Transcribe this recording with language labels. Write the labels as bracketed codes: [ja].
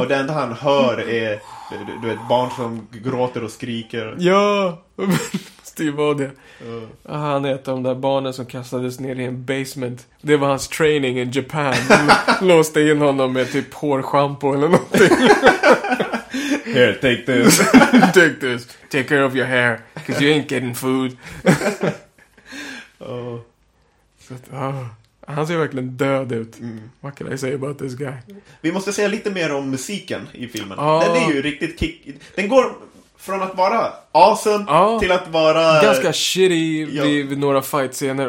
[sv] Och det enda han hör är du ett barn som gråter och skriker. Ja, det var det. Ja. Han är ett av de där barnen som kastades ner i en basement. Det var hans training i Japan. Låste in honom med typ hårschampo eller någonting. [en] Here, take this. Take this. Take care of your hair, because you ain't getting food. Oh. [sv] Så att, oh. Han ser verkligen död ut. [en] Mm. What can I say about this guy? [sv] Vi måste säga lite mer om musiken i filmen. Oh. Den är ju riktigt kick... Den går från att vara awesome oh. till att vara... Ganska shitty vid några fight-scener.